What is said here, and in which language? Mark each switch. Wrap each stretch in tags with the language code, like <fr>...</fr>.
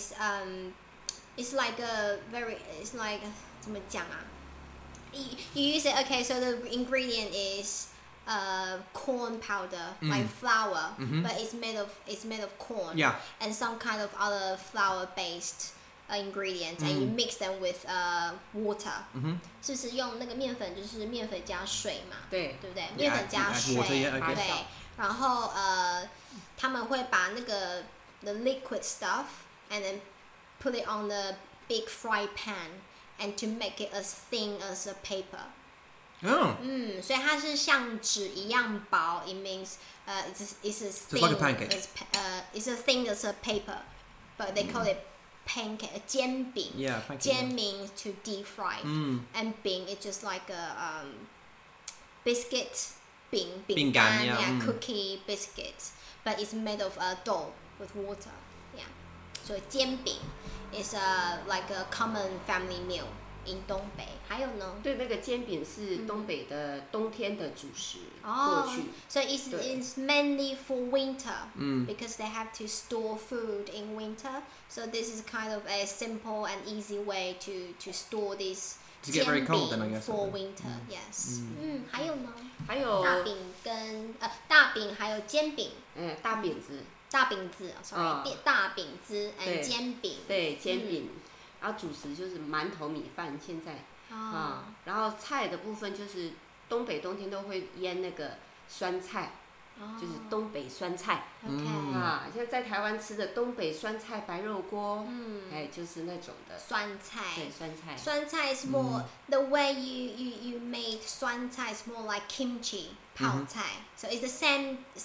<en>is It's like a very, it's like,</en> <zh>怎么讲啊?</zh> <en>You use it, okay, so the ingredient is corn powder, like flour, but it's made of corn. Yeah. And some kind of other flour-based ingredients, and you mix them with water.</en> <zh>是不是用那个面粉就是面粉加水嘛? 对不对?面粉加水,对。然后他们会把那个</zh> <en>the liquid stuff, and then put it on the big fry pan and to make it as thin as a paper. Oh.</en> <zh>所以它是像纸一样薄</zh> <en>it means it's as thin as a paper. But they call it pancake, 煎饼. Yeah, pancake. 煎饼 to deep fry. And 饼 is just like a biscuit, 饼干 yeah, cookie, biscuit. But it's made of a dough with water. Yeah. So 煎饼 is like a common family meal.</en> <zh>饮东北，还有呢？对，那个煎饼是东北的冬天的主食。哦，所以</zh> <en>it's mainly for winter, because they have to store food in winter. So this is kind of a simple and easy way to store this. To get very cold, then I guess. For winter, yes.</en> <zh>还有呢？还有大饼跟大饼还有煎饼。大饼子。大饼子 ，sorry， 大饼子 and 煎饼。对，煎饼。然后主食就是馒头、米饭，现在然后菜的部分就是东北冬天都会腌那个酸菜，就是东北酸菜。像在台湾吃的东北酸菜白肉锅，就是那种的酸菜。对，酸菜。</zh> <en>酸菜 is more the way you make 酸菜 is more like kimchi 泡菜 ，so it's the same</en>